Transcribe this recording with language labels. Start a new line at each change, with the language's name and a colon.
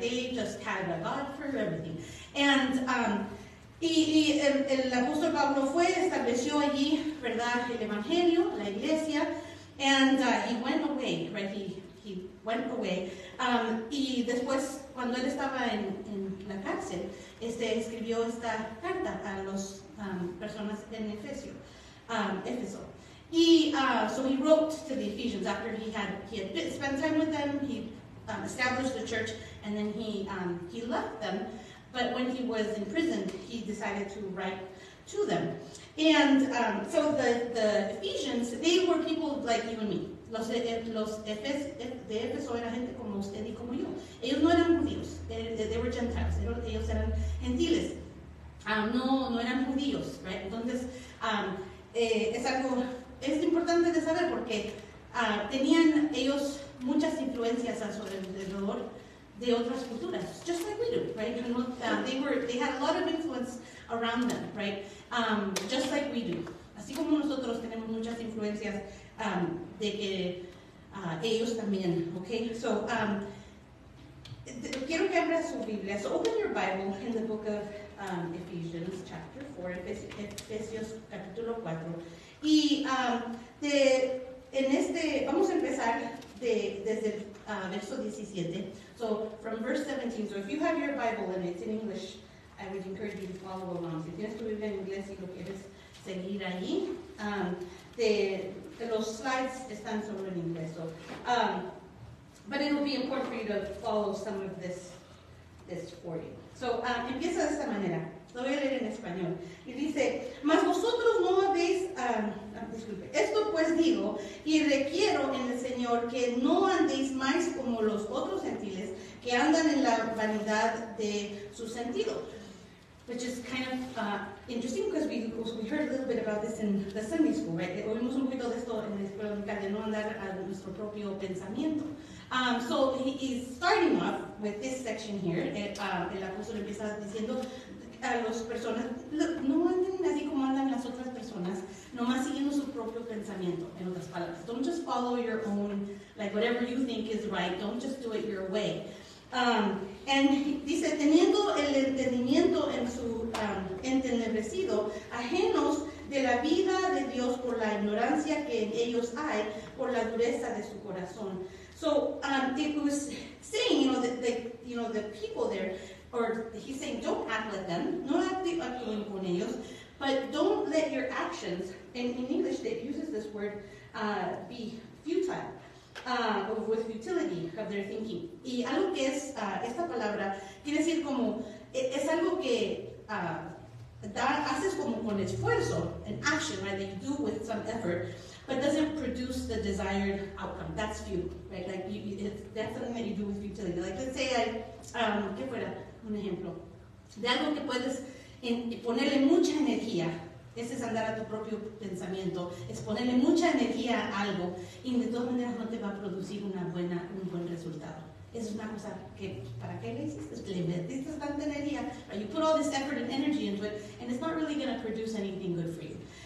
English: They just had a god for everything. And
Spanish: el apóstol Pablo fue, estableció allí, ¿verdad? El evangelio, la iglesia,
English: And he went away, right? He went away.
Spanish: Y después, cuando él estaba en la cárcel, escribió esta carta a las personas en Efesio, Éfeso.
English: He so he wrote to the Ephesians after he had spent time with them. He established the church, and then he left them. But when he was in prison, he decided to write to them. And so the Ephesians, they were people like you and me.
Spanish: Los de Éfeso eran gente como usted y como yo. Ellos no eran judíos.
English: They were Gentiles.
Spanish: Ellos eran gentiles. No eran judíos, right? Entonces es algo. Es importante de saber porque tenían ellos muchas influencias a su alrededor de otras culturas,
English: just like we do, right? You know, they had a lot of influence around them, right? Just like we do.
Spanish: Así como nosotros tenemos muchas influencias de que ellos también, okay? So, quiero que abra su Biblia.
English: So, open your Bible in the book of Ephesians, chapter 4,
Spanish: Efesios, capítulo 4. Y vamos a empezar desde el verso 17.
English: So, from verse 17. So, if you have your Bible and it's in English, I would encourage you to follow along.
Spanish: Si tienes tu Biblia en inglés y lo quieres seguir ahí, los slides están solo en inglés.
English: So, but it will be important for you to follow some of this for you.
Spanish: So, empieza de esta manera. Lo voy a leer en español. Y dice, mas vosotros no habéis, disculpe, esto pues digo, y requiero en el Señor que no andéis más como los otros gentiles que andan en la vanidad de su sentido.
English: Which is kind of interesting because we heard a little bit about this in the Sunday school, right?
Spanish: Oímos un poquito de esto en la escuela dominical de no andar a nuestro propio pensamiento.
English: So he is starting off with this section here.
Spanish: El apóstol empieza diciendo, a las personas, no anden así como andan las otras personas, nomás siguiendo su propio pensamiento, en otras palabras.
English: Don't just follow your own, like whatever you think is right, don't just do it your way.
Spanish: And dice, teniendo el entendimiento en su entenebrecido, ajenos de la vida de Dios por la ignorancia que en ellos hay, por la dureza de su corazón.
English: So, it was saying, the people there, or he's saying, don't act like them,
Spanish: no actúen con ellos,
English: but don't let your actions, and in English it uses this word, be futile, or with futility of their thinking.
Spanish: Y algo que es, esta palabra, quiere decir como, es algo que haces como con esfuerzo,
English: an action, right, that you do with some effort, but doesn't produce the desired outcome. That's futile, right, like, that's something that you do with futility. Like, let's say,
Spanish: ¿qué fuera? Un ejemplo de algo que puedes ponerle mucha energía, ese es andar a tu propio pensamiento, es ponerle mucha energía a algo y de todas maneras no te va a producir un buen resultado. Es una cosa que, ¿para qué le hiciste? Le metiste tanta energía, right?
English: You put all this effort and energy into it and it's not really going to produce anything good for you.